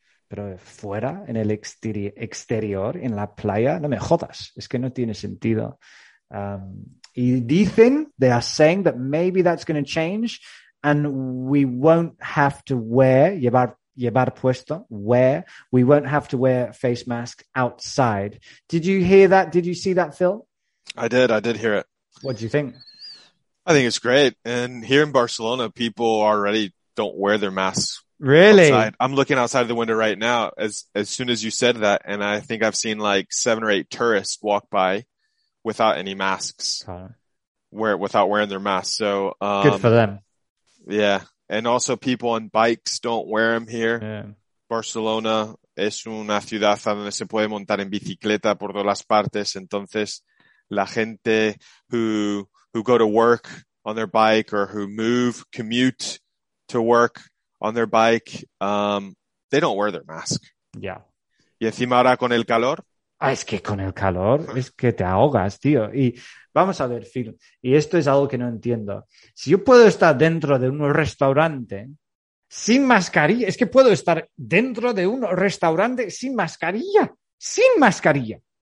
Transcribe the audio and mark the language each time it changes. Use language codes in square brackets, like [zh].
[es] Pero fuera, en el exterior, en la playa, no me jodas. Es que no tiene sentido. Y dicen, [en] they are saying that maybe that's going to change and we won't have to we won't have to wear face mask outside. Did you hear that? Did you see that, Phil? I did hear it. What do you think? I think it's great. And here in Barcelona, people already don't wear their masks. Really? Outside. I'm looking outside the window right now as soon as you said that. And I think I've seen like 7 or 8 tourists walk by without any masks, without wearing their masks. So good for them. Yeah. And also people on bikes don't wear them here. Yeah. [es] Barcelona es una ciudad donde se puede montar en bicicleta por todas las partes. Entonces la gente [en] who go to work on their bike or who commute to work on their bike, they don't wear their mask. Yeah. [es] Y encima ahora con el calor. Ah, es que con el calor, es que te ahogas, tío. Y vamos a ver, Phil, y esto es algo que no entiendo. Si yo puedo estar dentro de un restaurante sin mascarilla, es que puedo estar dentro de un restaurante sin mascarilla, sin mascarilla.